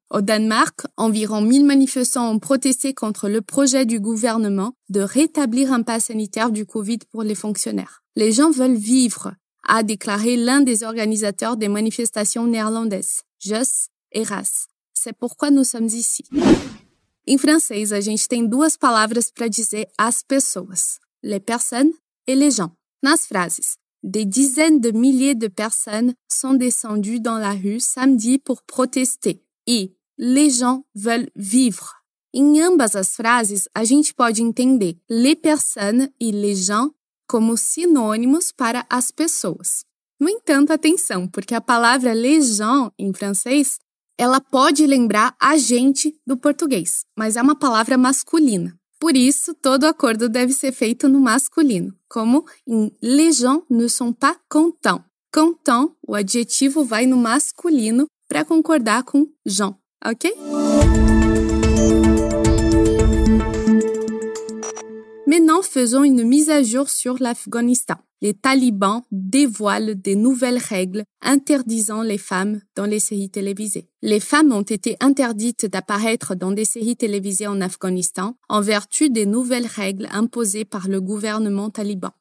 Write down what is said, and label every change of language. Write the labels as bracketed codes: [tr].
[fr] Au Danemark, environ 1 000 manifestants ont protesté contre le projet du gouvernement de rétablir un pass sanitaire du Covid pour les fonctionnaires. « Les gens veulent vivre », a déclaré l'un des organisateurs des manifestations néerlandaises, Jos Eras. C'est pourquoi nous sommes ici. [pt] Em francês, a gente tem 2 palavras para dizer as pessoas, [fr] les personnes et les gens. [pt] Nas frases, [fr] des dizaines de milliers de personnes sont descendues dans la rue samedi pour protester et les gens veulent vivre. [pt] Em ambas as frases, a gente pode entender [fr] les personnes et les gens [pt] como sinônimos para as pessoas. No entanto, atenção, porque a palavra les gens, em francês, ela pode lembrar a gente do português, mas é uma palavra masculina. Por isso, todo acordo deve ser feito no masculino, como em [fr] les gens ne sont pas contents. [pt] Contents, o adjetivo vai no masculino para concordar com gens, ok? [fr] Maintenant, faisons une mise à jour sur l'Afghanistan. les talibans dévoilent des nouvelles règles interdisant les femmes dans les séries télévisées. Les femmes ont été interdites d'apparaître dans des séries télévisées en Afghanistan en vertu des nouvelles règles imposées par le gouvernement taliban.